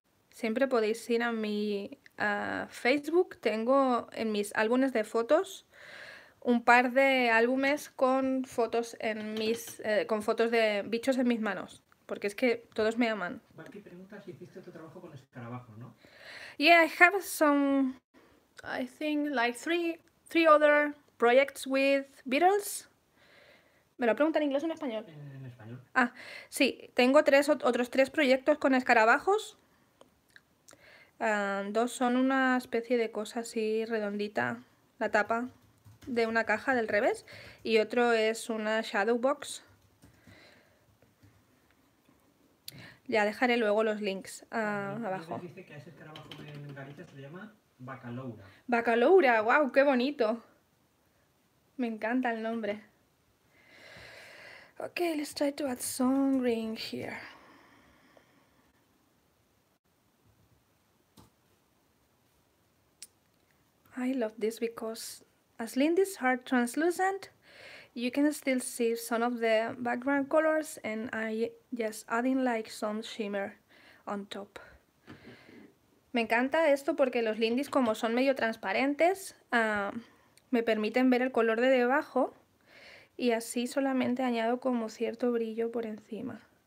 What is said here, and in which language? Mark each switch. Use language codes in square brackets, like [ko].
[es] Siempre podéis ir a mi Facebook, tengo en mis álbumes de fotos un par de álbumes con fotos en mis con fotos de bichos en mis manos, porque es que todos me aman. Valky pregunta si hiciste tu trabajo con escarabajos, ¿no? [en] Yeah, I have some, I think like three other projects with beetles. [es] ¿Me lo pregunta en inglés o en español? En español. Ah, sí, tengo otros tres proyectos con escarabajos. Dos son una especie de cosa así redondita, la tapa de una caja del revés, y otro es una shadow box. Ya dejaré luego los links abajo. Dice que ese escarabajo en Galicia se llama Bacaloura. Bacaloura, wow, qué bonito. Me encanta el nombre. [en] Ok, let's try to add some green here. I love this because as Lindy's heart translucent, you can still see some of the background colors, and I just adding like some shimmer on top. [es] Me encanta esto porque los Lindy's, como son medio transparentes, me permiten ver el color de debajo y así solamente añado como cierto brillo por encima.